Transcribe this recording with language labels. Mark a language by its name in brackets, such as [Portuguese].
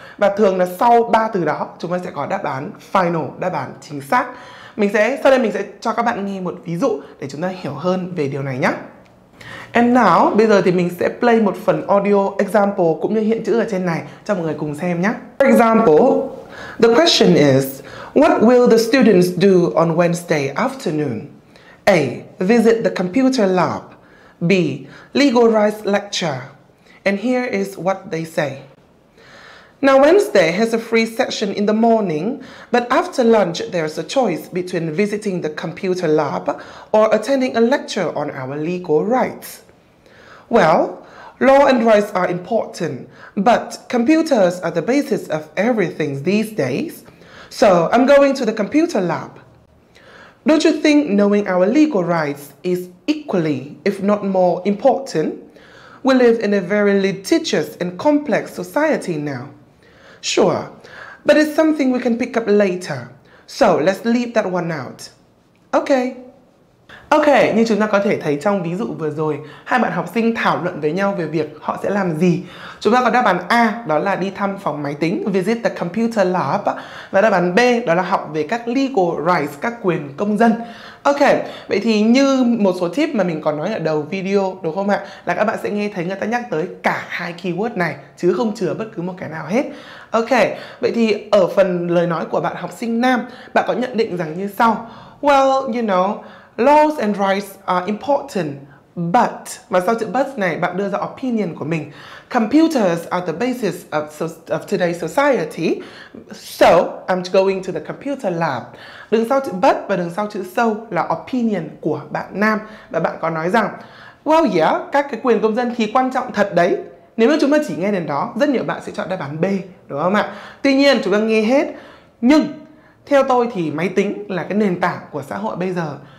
[Vietnamese] Và thường là sau ba từ đó chúng ta sẽ có đáp án final, đáp án chính xác. Mình sẽ, sau đây mình sẽ cho các bạn nghe một ví dụ để chúng ta hiểu hơn về điều này nhé. [English] And now, [Vietnamese] bây giờ thì mình sẽ play một phần audio example cũng như hiện chữ ở trên này cho mọi người cùng xem nhé. [English] For example, the question is, what will the students do on Wednesday afternoon? A. Visit the computer lab. B. Legal rights lecture. And here is what they say. Now, Wednesday has a free session in the morning, but after lunch, there's a choice between visiting the computer lab or attending a lecture on our legal rights. Well, law and rights are important, but computers are the basis of everything these days. So, I'm going to the computer lab. Don't you think knowing our legal rights is equally, if not more, important? We live in a very litigious and complex society now. Sure, but it's something we can pick up later. So, let's leave that one out. Okay. [Vietnamese] Ok, như chúng ta có thể thấy trong ví dụ vừa rồi, hai bạn học sinh thảo luận với nhau về việc họ sẽ làm gì. Chúng ta có đáp án A, đó là đi thăm phòng máy tính, [English] visit the computer lab. [Vietnamese] Và đáp án B, đó là học về các legal rights, các quyền công dân. Ok, vậy thì như một số tip mà mình còn nói ở đầu video, đúng không ạ? Là các bạn sẽ nghe thấy người ta nhắc tới cả hai keyword này, chứ không chừa bất cứ một cái nào hết. Ok, vậy thì ở phần lời nói của bạn học sinh Nam, bạn có nhận định rằng như sau. [English] Well, you know, laws and rights are important, but, [Vietnamese] và sau chữ but này, bạn đưa ra opinion của mình. [English] Computers are the basis of today's society, so I'm going to the computer lab. [Vietnamese] Đằng sau chữ but và đằng sau chữ so là opinion của bạn Nam. Và bạn có nói rằng, [English] well yeah, [Vietnamese] các cái quyền công dân thì quan trọng thật đấy. Nếu mà chúng ta chỉ nghe đến đó, rất nhiều bạn sẽ chọn đáp án B, đúng không ạ? Tuy nhiên, chúng ta nghe hết. Nhưng, theo tôi thì máy tính là cái nền tảng của xã hội bây giờ.